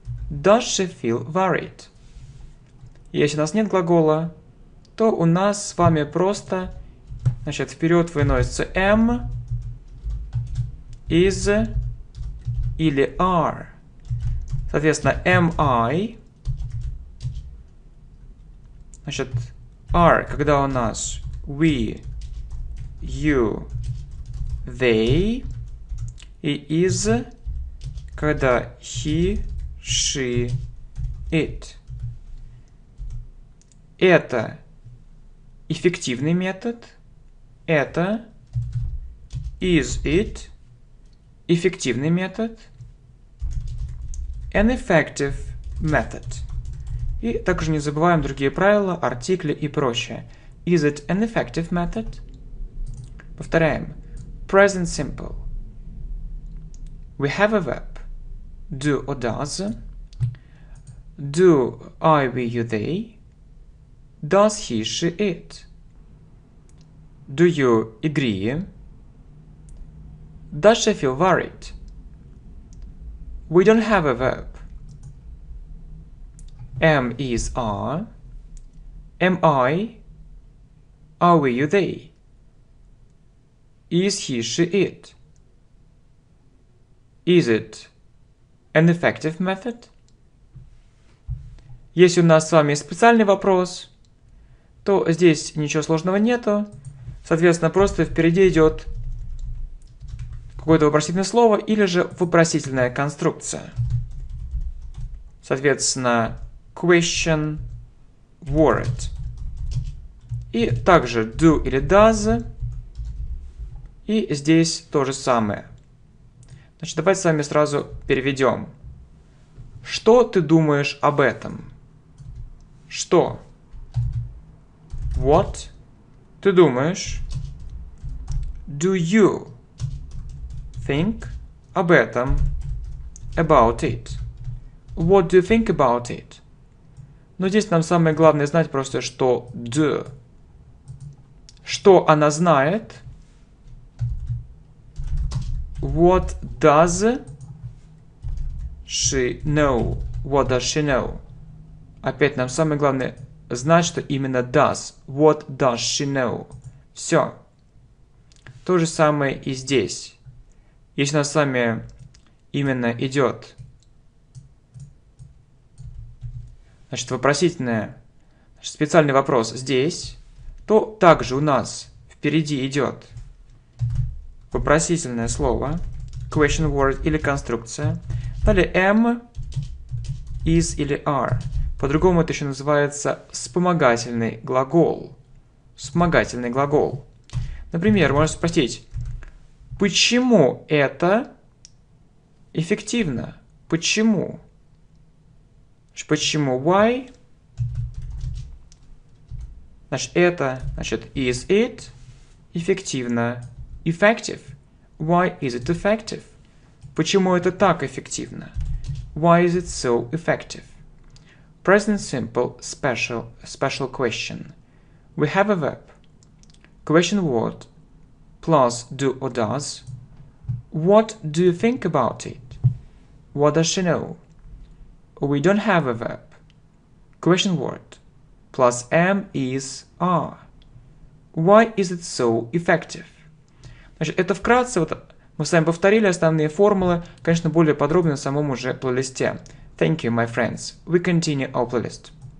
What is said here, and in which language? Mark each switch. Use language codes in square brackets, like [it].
[en] Does she feel worried? [ru] Если у нас нет глагола, то у нас с вами просто, значит, вперед выносится am, is или are. Соответственно, [en] am I, [ru] значит, are, когда у нас [en] we, you, they, [ru] и is, когда [en] he, she, it. [ru] Это эффективный метод. Это [en] is it [ru] эффективный метод. [en] An effective method. [ru] И также не забываем другие правила, артикли и прочее. [en] Is it an effective method? [ru] Повторяем. [en] Present simple. We have a verb. Do or does. Do I, we, you, they. Does he, she, it. Do you agree? Does she feel worried? We don't have a verb. Am, is, are. Am I? Are we, you, they? Is he, she, it? Is it an effective method? [ru] Если у нас с вами специальный вопрос, то здесь ничего сложного нету. Соответственно, просто впереди идет какое-то вопросительное слово или же вопросительная конструкция. Соответственно, [en] question, word. [ru] И также do или does. И здесь то же самое. Значит, давайте с вами сразу переведем. Что ты думаешь об этом? Что? [en] What [ru] ты думаешь? [en] Do you think [ru] об этом? [en] About it. What do you think about it? [ru] Но здесь нам самое главное знать просто, что do. Что она знает? [en] What does she know? What does she know? [ru] Опять нам самое главное знать, что именно does. [en] What does she know? [ru] Все. То же самое и здесь. Если у нас с вами именно идет, значит, вопросительное, значит, специальный вопрос здесь, то также у нас впереди идет вопросительное слово, [en] question word [ru] или конструкция. Далее [en] am, is [ru] или are. По-другому это еще называется вспомогательный глагол. Вспомогательный глагол. Например, можно спросить, почему это эффективно? Почему? Почему [en] why? [ru] Значит, это, значит, [en] is it [ru] эффективно? [en] Effective. Why is it effective? [ru] Почему это так эффективно? [en] Why is it so effective? Present simple special question. We have a verb. question word plus do or does. What do you think about it? What does she know? We don't have a verb. Question word plus am is are. Why is it so effective? [ru] Значит, это вкратце. Вот мы с вами повторили основные формулы. Конечно, более подробно в самом уже плейлисте. [en] Thank you, my friends. We continue our playlist.